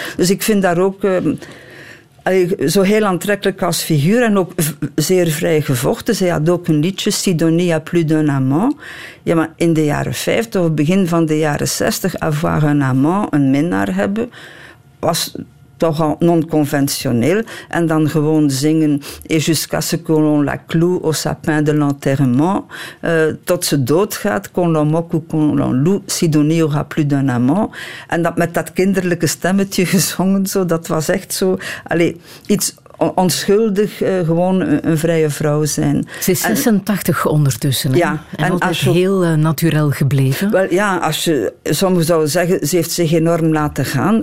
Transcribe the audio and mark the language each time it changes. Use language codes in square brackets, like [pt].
[nl] Dus ik vind daar ook zo heel aantrekkelijk als figuur en ook zeer vrij gevochten. Ze had ook een liedje, Sidonie a plus d'un amant. Ja, maar in de jaren 50 of begin van de jaren 60, [fr] avoir un amant, [nl] een minnaar hebben, was toch al non-conventioneel. En dan gewoon zingen [fr] et jusqu'à ce que l'on la cloue au sapin de l'enterrement, [nl] tot ze doodgaat, [fr] qu'on l'en moque ou qu'on l'en loue, Sidonie aura plus d'un amant. [nl] En dat met dat kinderlijke stemmetje gezongen, zo, dat was echt zo, allez, iets onschuldig, gewoon een vrije vrouw zijn. Ze is 86 ondertussen. Ja, en altijd heel natuurlijk gebleven. Wel, ja, als je sommigen zou zeggen, ze heeft zich enorm laten gaan.